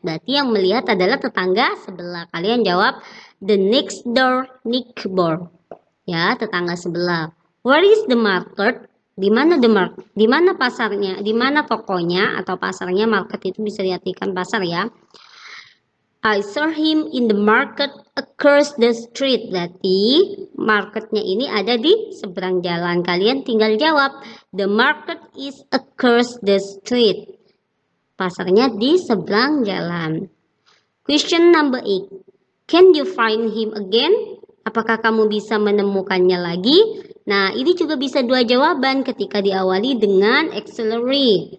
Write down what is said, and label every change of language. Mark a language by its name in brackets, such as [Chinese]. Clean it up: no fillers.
[Indonesian] Berarti yang melihat adalah tetangga sebelah. Kalian jawab [English] the next door neighbor. [Indonesian] Ya, tetangga sebelah. [English] Where is the market? [Indonesian] Di mana pasarnya? Di mana tokonya atau pasarnya? Market itu bisa diartikan pasar ya. [English] I saw him in the market across the street. [Indonesian] Berarti marketnya ini ada di seberang jalan. Kalian tinggal jawab. [English] The market is across the street. [Indonesian] Pasarnya di seberang jalan. [English] Question number 8. Can you find him again? [Indonesian] Apakah kamu bisa menemukannya lagi? Nah, ini juga bisa dua jawaban ketika diawali dengan auxiliary.